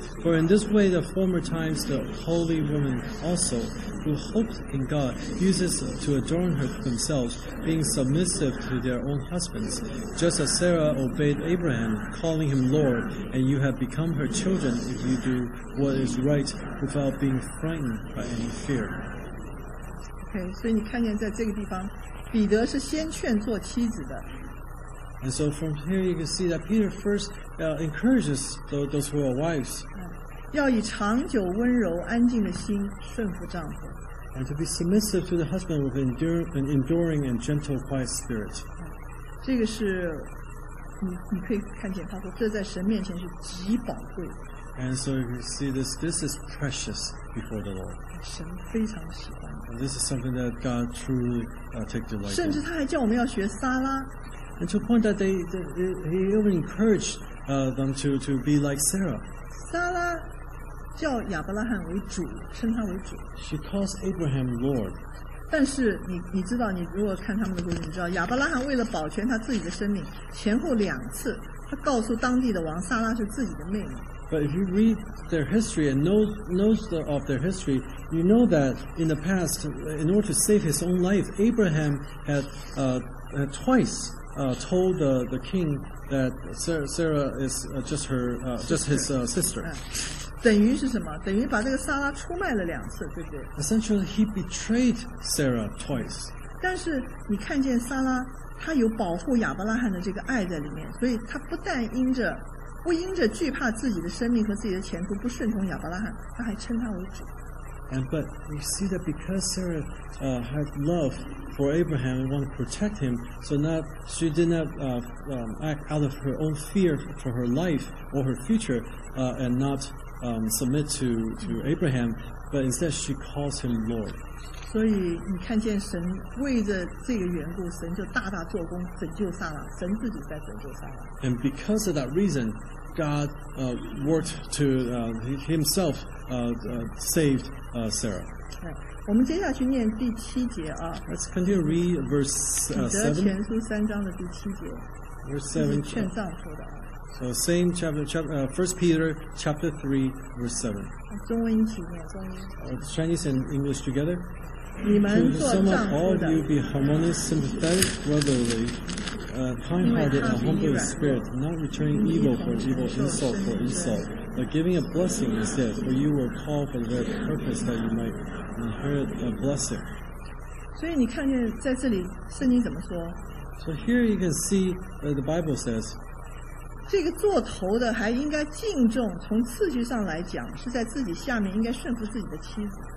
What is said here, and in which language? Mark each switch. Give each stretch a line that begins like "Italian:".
English: For in this way the former times the holy women also, who hoped in God, uses to adorn themselves, being submissive to their own husbands, just as Sarah obeyed Abraham, calling him Lord, and you have become her children if you do what is right without being frightened by any fear.
Chinese: Okay, 所以你看见在这个地方，彼得是先劝做妻子的。
English: And so from here you can see that Peter first encourages those who are wives.
Chinese: 要以长久温柔安静的心顺服丈夫。
English: And to be submissive to the husband with an enduring and gentle quiet spirit.
Chinese: 这个是你可以看见他说这在神面前是极宝贵的。
English: And so you see this is precious before the Lord.
Chinese: 神非常喜欢。
English: And this is something that God truly takes delight in.
Chinese: 甚至他还叫我们要学撒拉。
English: And to the point that he even encouraged them to be like Sarah.
Chinese: 撒拉叫亚伯拉罕为主，称他为主。
English: She calls Abraham Lord.
Chinese: 但是你知道，你如果看他们的故事，你知道亚伯拉罕为了保全他自己的生命，前后两次他告诉当地的王，撒拉是自己的妹妹。
English: But if you read their history and knows of their history, you know that in the past, in order to save his own life, Abraham had twice told the king that Sarah is just his sister.
Chinese: 等于是什么？等于把这个撒拉出卖了两次，对不对？
English: Essentially, he betrayed Sarah twice.
Chinese: 但是你看见撒拉，他有保护亚伯拉罕的这个爱在里面，所以他不但因着。不因着惧怕自己的生命和自己的前途不顺从亚伯拉罕，他还称他为主。
English: And but you see that because Sarah had love for Abraham and wanted to protect him, so not she did not act out of her own fear for her life or her future, and not submit to Abraham, but instead she calls him Lord.
Chinese: 所以你看见神为着这个缘故，神就大大做工拯救撒拉，神自己在拯救撒拉。
English: And because of that reason, God worked to himself saved Sarah.
Chinese: 我们接下去念第七节啊。
English: Let's continue read verse 7.
Chinese: 彼得前书三章的第七节。
English: Verse 7.
Chinese: 是劝丈夫的。
English: So same chapter, First Peter chapter 3 verse 7.
Chinese: 中文一起念，中文。
English: Chinese and English together.
Chinese: 你们做丈夫的。
English: To sum up, all of you be harmonious, sympathetic, brotherly. Kind-hearted and humble in spirit, not returning evil for evil, insult for insult, but giving a blessing instead, for you were called for the very purpose that you might inherit a blessing.
Chinese: 所以你看见在这里圣经怎么说？
English: So here you can see that the Bible says,
Chinese: 这个做头的还应该敬重，从次序上来讲，是在自己下面应该顺服自己的妻子。